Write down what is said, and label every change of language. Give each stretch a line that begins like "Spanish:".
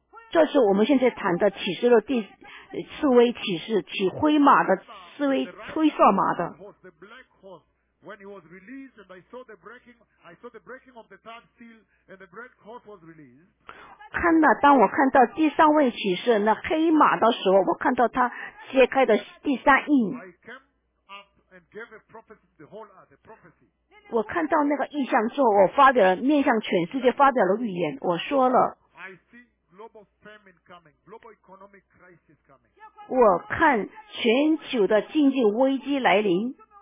Chinese: 这是我们现在谈的启示的第四位启示，骑灰马的四位灰色马的。
English: When he was released, and I saw the breaking of the third seal, and the red horse was released.
Chinese: 看了，当我看到第三位骑士那黑马的时候，我看到他揭开的第三印。
English: I came up and gave a prophecy to the whole earth, a prophecy.
Chinese: 我看到那个意象之后，我发表了面向全世界发表了预言，我说了。
English: I see global famine coming, global economic crisis coming.
Chinese: 我看全球的经济危机来临。